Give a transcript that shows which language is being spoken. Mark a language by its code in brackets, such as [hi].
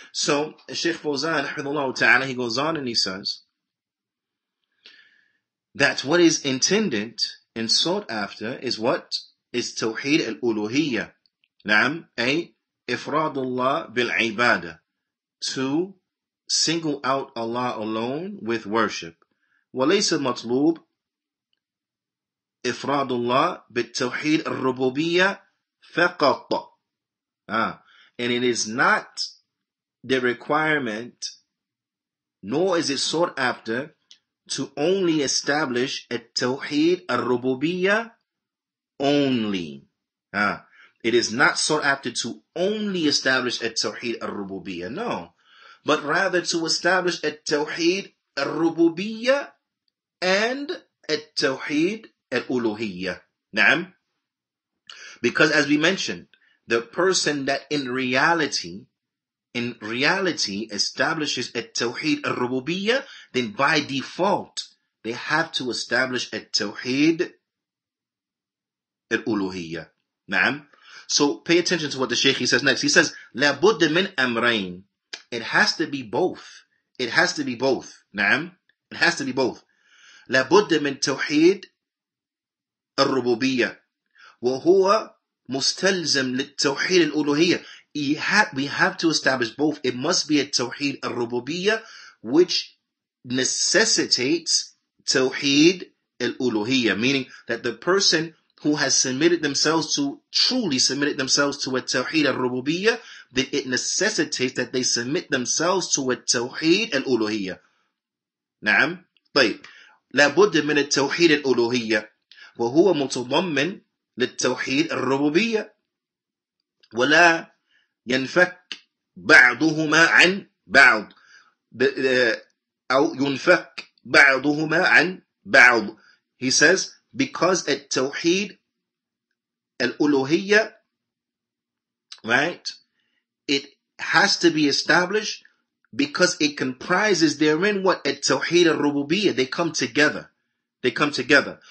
[en] So, Sheikh Fawzan, Hafidhullah Ta'ala, he goes on and he says that what is intended and sought after is what is Tawheed al-Uluhiyyah. [ar] Naam, Ifrad Allah bil-Ibadah. [en] To single out Allah alone with worship. [ar] وَلَيْسَ matlub إِفْرَادُ اللَّهِ بِالتَّوْحِيدِ الرُّبُوبِيَّةِ فَقَطَ. [en] And it is not the requirement, nor is it sought after, to only establish a Tawheed al-Rububiyyah only. It is not sought after to only establish a Tawheed al-Rububiyyah, no. But rather to establish a Tawheed al-Rububiyyah and a Tawheed al-Uluhiyyah. Naam. Because as we mentioned, the person that in reality establishes a Tawheed al-Rububiyyah, then by default, they have to establish a Tawheed al-Uluhiyyah. Naam. So pay attention to what the Shaykh, he says next. He says, [ar] لَبُدْ مِنْ أَمْرَيْن. [en] It has to be both. It has to be both. Naam. It has to be both. [ar] لَبُدْ مِنْ تَوْحِيد الرُّبُوبِيَّة وَهُوَ مُسْتَلْزَمْ لِلتَّوْحِيدِ الْأُلُوهِيَّةِ. [en] We have to establish both. It must be a Tawheed al-Rububiyyah, which necessitates Tawheed al-Uluhiyyah. Meaning that the person who has truly submitted themselves to a Tawheed al-Rububiyyah, then it necessitates that they submit themselves to a Tawheed al-Uluhiyyah. [ar] Naam. طيب. لابد من التوحيد الألوهية وهو متضمن للتوحيد الربوبية ولا ينفك بعضهما عن بعض أو ينفك بعضهما عن بعض. [en] He says because التوحيد الألوهية, right, it has to be established. Because it comprises therein what? At-Tawheed al-Rububiyyah. They come together. They come together.